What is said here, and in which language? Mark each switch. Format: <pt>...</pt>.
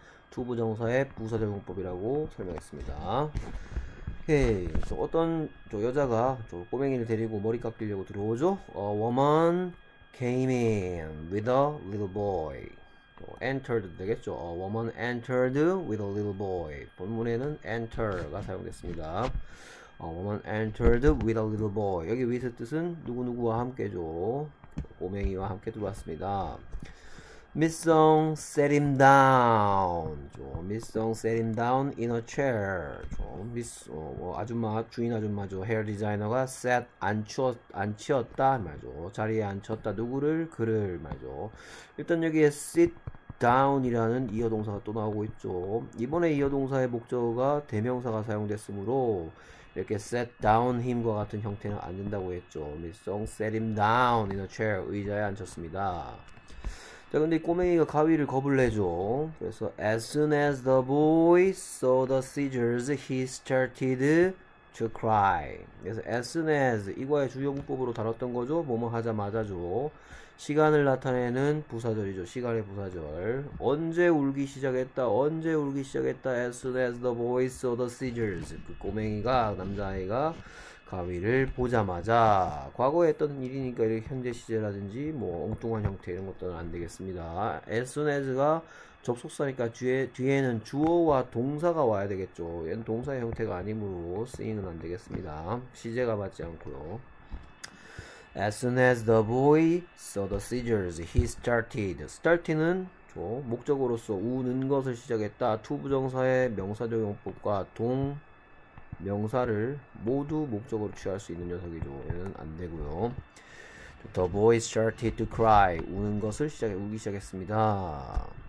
<ko>to 부정사의 부사적용법이라고 설명했습니다. 오케이. 어떤 저 여자가 저 꼬맹이를 데리고 머리 깎으려고 들어오죠.</ko> <en>A woman came in with a little boy. Entered 되겠죠. A woman entered with a little boy.</en> <ko>본문에는 enter가 사용됐습니다.</ko> <en>A woman entered with a little boy.</en> <ko>여기 with 뜻은 누구누구와 함께죠. 꼬맹이와 함께 들어왔습니다.</ko> <en>Miss Song set him down. Miss Song set him down in a chair.</en> <ko>Miss 아줌마 주인 아줌마죠. 헤어 디자이너가 set 앉혔다 말이죠. 자리에 앉혔다 누구를 그를 말이죠. 일단 여기에 sit down이라는 이어 동사가 또 나오고 있죠. 이번에 이어 동사의 목적어가 대명사가 사용됐으므로 이렇게 set down him과 같은 형태는 안 된다고 했죠.</ko> <en>Miss Song set him down in a chair.</en> <ko>의자에 앉혔습니다. 자, 근데 이 꼬맹이가 가위를 겁을 내죠.</ko> <en>그래서 as soon as the boy saw the scissors, he started to cry.</en> <ko>그래서 as soon as 이거의 주요문법으로 다뤘던 거죠. 뭐뭐 하자마자죠. 시간을 나타내는 부사절이죠. 시간의 부사절. 언제 울기 시작했다? 언제 울기 시작했다?</ko> <en>As soon as the boy saw the scissors.</en> <ko>그 꼬맹이가 남자아이가 가위를 보자마자 과거에 했던 일이니까 이렇게 현재 시제라든지 뭐 엉뚱한 형태 이런 것들은 안 되겠습니다. As soon as가 접속사니까 뒤에는 주어와 동사가 와야 되겠죠. 얘는 동사 형태가 아니므로 쓰이는 안 되겠습니다. 시제가 맞지 않고요.</ko> <en>As soon as the boy saw the scissors, he started.</en> <ko>Started는 목적으로서 우는 것을 시작했다. To 부정사의 명사적용법과 동 명사를 모두 목적으로 취할 수 있는 녀석이죠. 얘는 안 되고요.</ko> <en>The boy started to cry.</en> <ko>우는 것을 시작해 우기 시작했습니다.</ko>